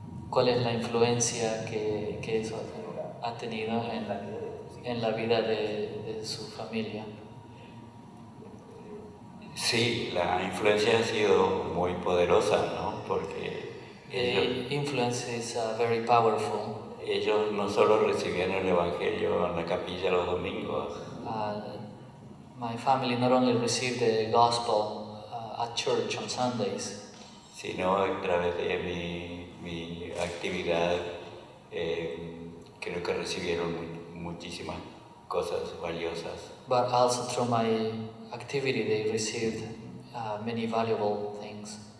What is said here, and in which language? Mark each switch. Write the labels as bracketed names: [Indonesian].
[Spanish] ¿Cuál es la influencia que eso ha tenido en la vida de su familia? Sí, la influencia ha sido muy poderosa, ¿no? Porque [English] influence is very powerful. [Spanish] Ellos no solo recibían el evangelio en la capilla los domingos. [English] My family not only received the gospel at church on Sundays, [Spanish] sino a través de mi actividad, creo que recibieron muchísimas cosas valiosas. [English] But also through my activity, they received many valuable things.